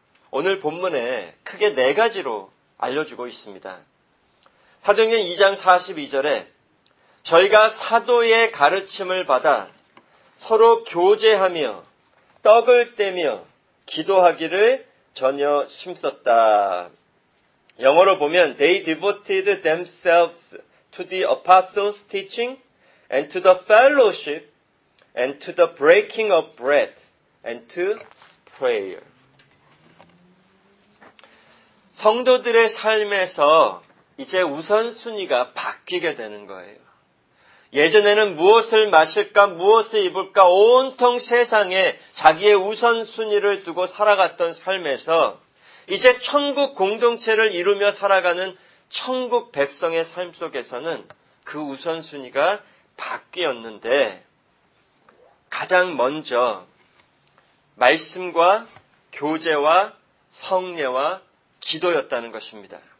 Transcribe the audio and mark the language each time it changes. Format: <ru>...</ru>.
<ko>오늘 본문에 크게 네 가지로 알려주고 있습니다. 사도행전 2장 42절에 저희가 사도의 가르침을 받아 서로 교제하며 떡을 떼며 기도하기를 전혀 힘썼다. 영어로 보면</ko> <en>They devoted themselves to the apostles' teaching and to the fellowship and to the breaking of bread and to prayer.</en> <ko>성도들의 삶에서 이제 우선순위가 바뀌게 되는 거예요. 예전에는 무엇을 마실까, 무엇을 입을까, 온통 세상에 자기의 우선순위를 두고 살아갔던 삶에서 이제 천국 공동체를 이루며 살아가는 천국 백성의 삶 속에서는 그 우선순위가 바뀌었는데 가장 먼저 말씀과 교제와 성례와 기도였다는 것입니다.</ko>